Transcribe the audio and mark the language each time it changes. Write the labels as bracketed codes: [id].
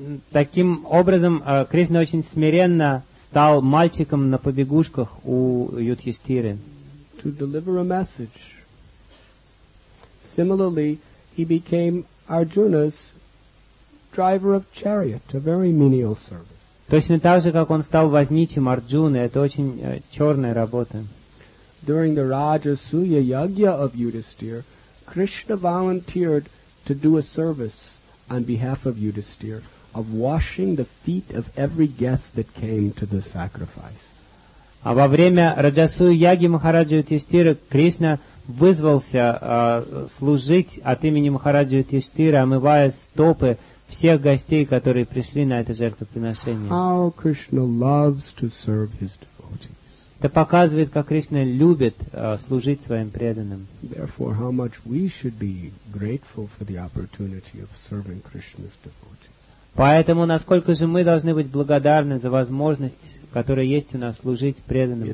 [ru] Таким образом, Кришна очень смиренно стал мальчиком на побегушках у Юдхиштхиры. [en] To deliver a message. Similarly, he became Arjuna's driver of chariot, a very menial service. [ru] Точно так же, как он стал возничим Арджуны, это очень черная работа. [en] During the Rajasuya Yagya of Yudhisthira, Krishna volunteered to do a service on behalf of Yudhisthira of washing the feet of every guest that came to the sacrifice. [ru] А во время Раджасуя Яги Махараджа Юдхиштхиры Кришна вызвался служить от имени Махараджа Юдхиштхиры, омывая стопы всех гостей, которые пришли на это жертвоприношение. [en] How Krishna loves to serve his devotees. [ru] Это показывает, как Кришна любит служить своим преданным. [en] Therefore, how much we should be grateful for the opportunity of serving Krishna's devotees. [ru] Поэтому, насколько же мы должны быть благодарны за возможность, которая есть у нас, служить преданным